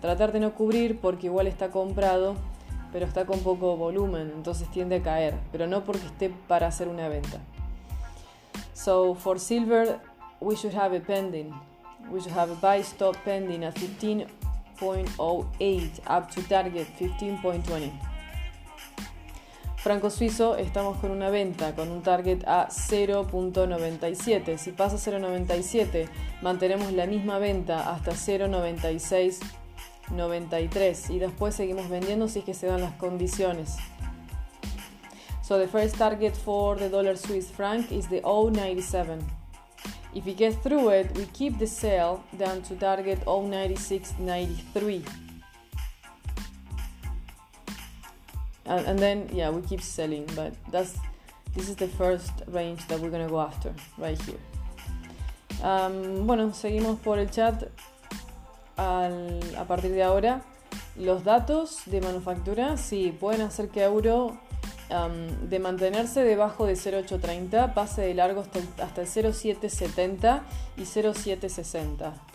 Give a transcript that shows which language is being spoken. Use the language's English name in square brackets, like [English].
[Spanish] Tratar de no cubrir porque igual está comprado, pero está con poco volumen, entonces tiende a caer. Pero no porque esté para hacer una venta. [English] So, for silver, we should have a pending. We should have a buy stop pending at 15.08, up to target 15.20. [Spanish] Franco suizo, estamos con una venta, con un target a 0.97. Si pasa 0.97, mantenemos la misma venta hasta 0.96.93 y después seguimos vendiendo si es que se dan las condiciones. [English] So the first target for the dollar Swiss franc is the 0.97. If we get through it, we keep the sale down to target 0.96.93. And then, yeah, we keep selling, but this is the first range that we're gonna go after, right here. [Spanish] Bueno, seguimos por el chat a partir de ahora. Los datos de manufactura, sí, pueden hacer que euro, de mantenerse debajo de 0.830, pase de largo hasta el 0.770 y 0.760.